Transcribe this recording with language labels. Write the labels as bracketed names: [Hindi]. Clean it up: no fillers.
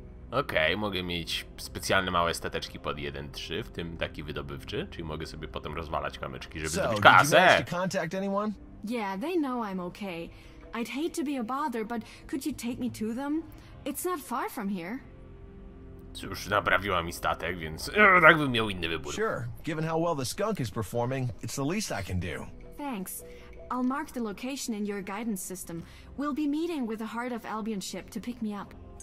[Polish] Okej, mogę mieć specjalne małe stateczki pod 1-3, w tym taki wydobywczy, czyli mogę sobie potem rozwalać kamyczki, żeby zdobyć kasę. [English] Yeah, they know I'm okay. I'd hate to be a bother, but could you take me to them? It's not far from here. [Polish] Cóż, naprawiła mi statek, więc tak bym miał inny wybór. [English] Sure, given how well the skunk is performing, it's the least I can do. Thanks. I'll mark the location in your guidance system. We'll be meeting with the Heart of Albion ship to pick me up.